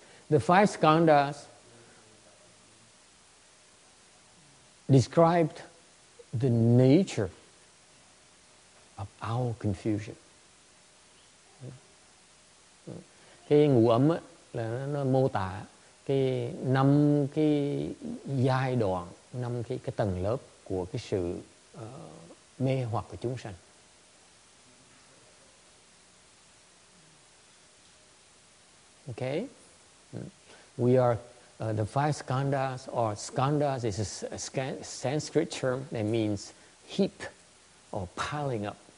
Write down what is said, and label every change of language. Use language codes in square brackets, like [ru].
[en] The five skandhas described the nature of our confusion. [vi] Cái ngũ ấm á là nó mô tả cái năm cái giai đoạn, năm cái tầng lớp của cái sự mê hoặc của chúng sanh. [en] Okay, we are the five skandhas, or skandhas is a Sanskrit term that means heap or piling up.